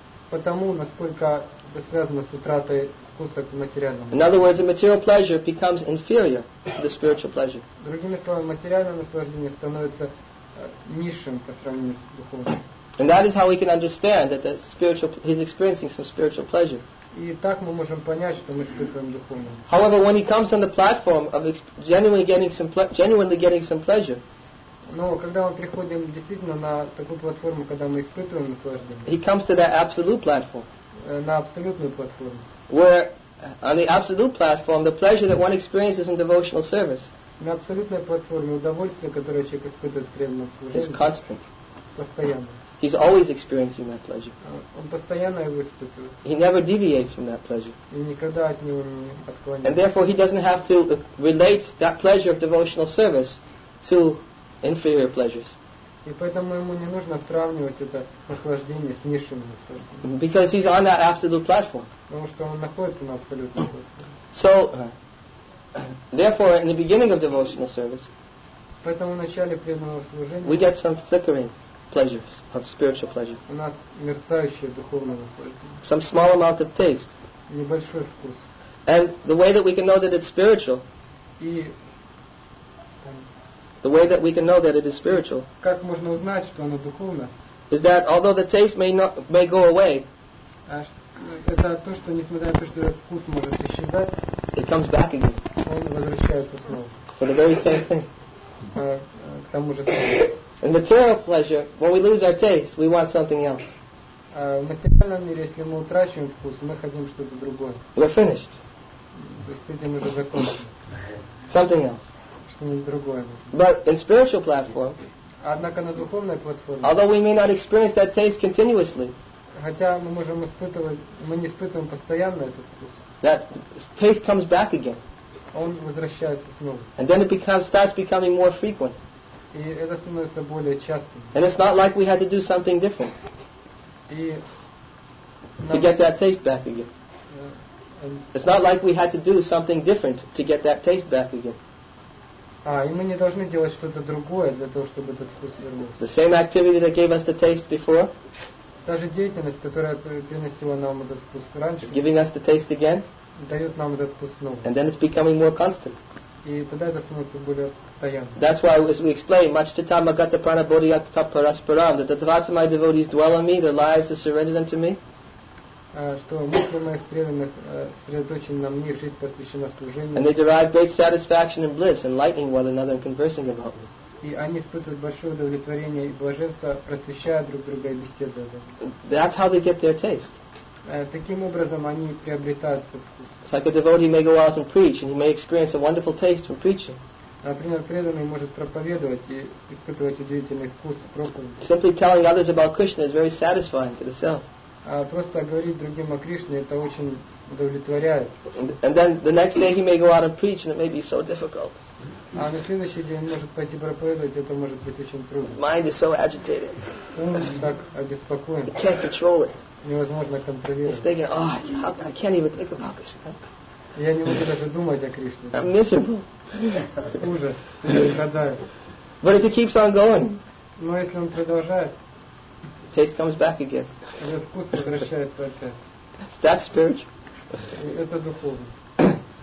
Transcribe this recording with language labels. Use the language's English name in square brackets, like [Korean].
[Russian] Потому насколько это связано с утратой вкуса к материальному. [English] In other words, the material pleasure becomes inferior to the spiritual pleasure. [Russian] Другими словами, материальное наслаждение становится низшим по сравнению с духовным. [English] And that is how we can understand that he's experiencing some spiritual pleasure. [Russian] И так мы можем понять, что мы испытываем духовное. [English] However, when he comes on the platform of genuinely getting some pleasure. [Russian] Но когда мы приходим действительно на такую платформу, когда мы испытываем наслаждение. [English] He comes to that absolute platform. [Russian] На абсолютную платформу. [English] Where on the absolute platform, the pleasure that one experiences in devotional service. [Russian] На абсолютной платформе удовольствие, которое человек испытывает в преданном служении. [English] Is constant. [Russian] Постоянно. [English] He's always experiencing that pleasure. [Russian] Он постоянно его испытывает. [English] He never deviates from that pleasure. [Russian] И никогда от него не отклоняется. [English] And therefore, he doesn't have to relate that pleasure of devotional service to inferior pleasures. [Russian] И поэтому ему не нужно сравнивать это наслаждение с низшим наслаждением. [English] Because he's on that absolute platform. [Russian] Потому что он находится на абсолютном платформе. [English] So, therefore, in the beginning of devotional service, [Russian] поэтому в начале преданного служения, [English] we get some flickering pleasures of spiritual pleasure. [Russian] У нас мерцающее духовное наслаждение. [English] Some small amount of taste. [Russian] Небольшой вкус. [English] And the way that we can know that it's spiritual. The way that we can know that it is spiritual. [Russian] Как можно узнать, что оно духовно? [English] Is that although the taste may go away. [Russian] Это то, что несмотря на то, что этот вкус может исчезать. [English] It comes back again. [Russian] Он возвращается снова. [English] For the very same thing. [Russian] К тому же самому. [English] In material pleasure, when we lose our taste, we want something else. [Russian] В материальном мире, если мы утрачиваем вкус, мы хотим что-то другое. [English] We're finished. [Russian] То есть с этим уже закончено. [English] Something else. [Russian] Что-нибудь другое. [English] But in spiritual platform, [Russian] однако на духовной платформе, [English] although we may not experience that taste continuously, [Russian] хотя мы можем испытывать, мы не испытываем постоянно этот вкус. [English] That taste comes back again. [Russian] Он возвращается снова. [English] And then it starts becoming more frequent. [Russian] И это становится более частым. [English] And it's not like we had to do something different. To get that taste back again. It's not like we had to do something different to get that taste back again. [Russian] И мы не должны делать что-то другое для того, чтобы этот вкус вернулся. [English] The same activity that gave us the taste before. [Russian] Та же деятельность, которая приносила нам этот вкус раньше. [English] Is giving us the taste again. [Russian] Дает нам этот вкус снова. [English] And then it's becoming more constant. [Russian] И тогда это становится более постоянным. [English] That's why, as we explain, Machitamagata Pranabodhiyatthaparasparam, that the thoughts of my devotees dwell on me, their lives are surrendered unto me. [Russian] Что мысли моих преданных сосредоточены на мне, жизнь посвящена служению. [English] And they derive great satisfaction and bliss, enlightening one another and conversing about me. [Russian] И они испытывают большое удовлетворение и блаженство, просвещая друг друга и беседуя об этом. [English] That's how they get their taste. [Russian] Таким образом они приобретают этот вкус. [English] Like a devotee may go out and preach, and he may experience a wonderful taste from preaching. [Russian] Например, преданный может проповедовать и испытывать удивительный вкус проповеди. [English] Simply telling others about Krishna is very satisfying to the soul. [Russian] Просто говорить другим о Кришне это очень удовлетворяет. [English] And then the next day he may go out and preach, and it may be so difficult. [Russian] А на следующий день он может пойти проповедовать, это может быть очень трудно. [English] Mind is so agitated. [Russian] Ум так обеспокоен. [English] He can't control it. [Russian] Невозможно контролировать. [English] He's thinking, oh, I can't even think about Krishna. [Russian] Я не могу даже думать о Кришне. [English] I'm miserable. [Russian] Ужас. Я страдаю. [English] But if he keeps on going, [Russian] но если он продолжает, [English] taste comes back again. [Russian] Этот вкус возвращается опять. [English] That's spiritual. [Russian] Это духовно.